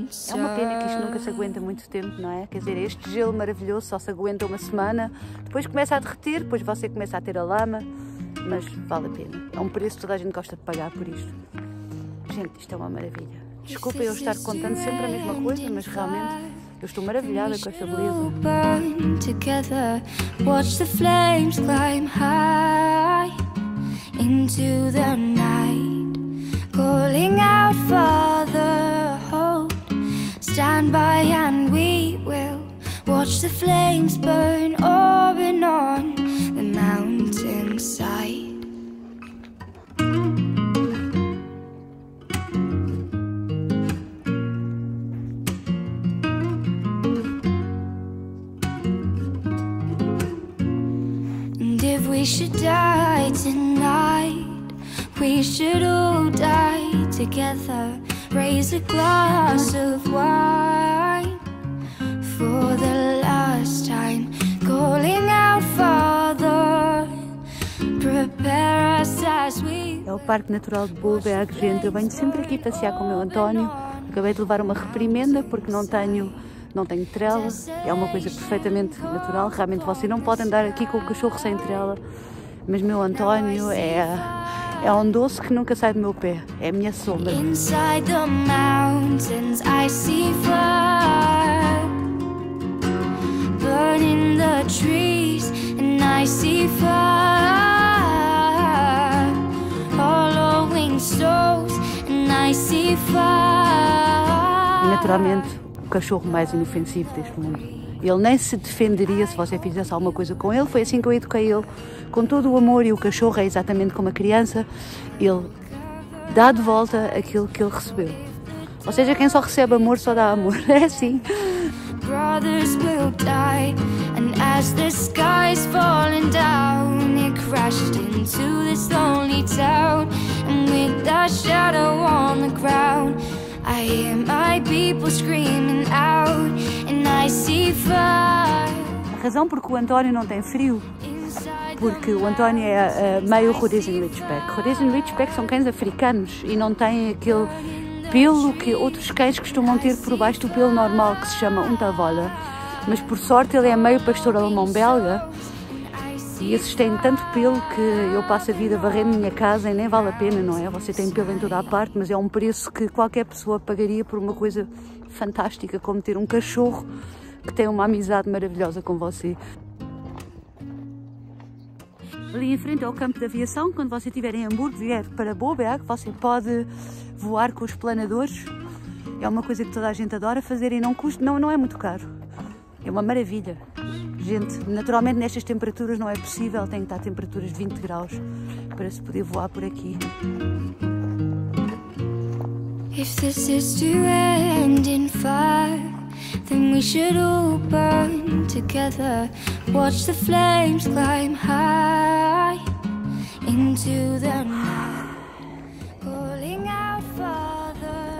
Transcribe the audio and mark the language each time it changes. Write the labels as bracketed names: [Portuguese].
[Portuguese] É uma pena que isto nunca se aguenta muito tempo, não é? Quer dizer, este gelo maravilhoso só se aguenta uma semana, depois começa a derreter, depois você começa a ter a lama, mas vale a pena. É um preço que toda a gente gosta de pagar por isto. Gente, isto é uma maravilha. Desculpa eu estar contando sempre a mesma coisa, mas realmente eu estou maravilhada com esta beleza. [English] Watch the flames climb high into the night, calling out for the hold. Stand by and we will watch the flames burn up and on the mountainside. And if we should die tonight, we should all die together. Raise a glass of wine for the last time, calling out Father, prepare us as we. [Portuguese] É o Parque Natural de Boberg, gente. Eu venho sempre aqui passear com o meu António. Acabei de levar uma reprimenda porque não tenho trela. É uma coisa perfeitamente natural. Realmente você não pode andar aqui com o cachorro sem trela. Mas meu António é um doce que nunca sai do meu pé, é a minha sombra. [English] Inside the mountains I see fire, burning the trees and I see fire, hollowing souls and I see fire. [Portuguese] Naturalmente, o cachorro mais inofensivo deste mundo. Ele nem se defenderia se você fizesse alguma coisa com ele. Foi assim que eu eduquei ele, com todo o amor. E o cachorro é exatamente como a criança. Ele dar de volta aquilo que ele recebeu. Ou seja, quem só recebe amor só dá amor. É assim. [English] Brothers will die, and as the sky's falling down, it crashed into this lonely town. And with that shadow on the ground, I hear my people screaming out, and I see fire. [Portuguese] A razão porque o António não tem frio, porque o António é meio Rhodesian Ridgeback. Rhodesian Ridgeback são cães africanos e não têm aquele pelo que outros cães costumam ter por baixo do pelo normal, que se chama untavola. Mas por sorte ele é meio pastor alemão belga e esses têm tanto pelo que eu passo a vida varrendo minha casa e nem vale a pena, não é? Você tem pelo em toda a parte, mas é um preço que qualquer pessoa pagaria por uma coisa fantástica como ter um cachorro que tem uma amizade maravilhosa com você. Ali em frente é o campo de aviação. Quando você estiver em Hamburgo, vier para Boberg, você pode voar com os planadores. É uma coisa que toda a gente adora fazer e não custa, não é muito caro. É uma maravilha. Gente, naturalmente nestas temperaturas não é possível, tem que estar a temperaturas de 20 graus para se poder voar por aqui. [English] If this is to end in fire, then we should all burn together. Watch the flames climb high into the night, calling out Father.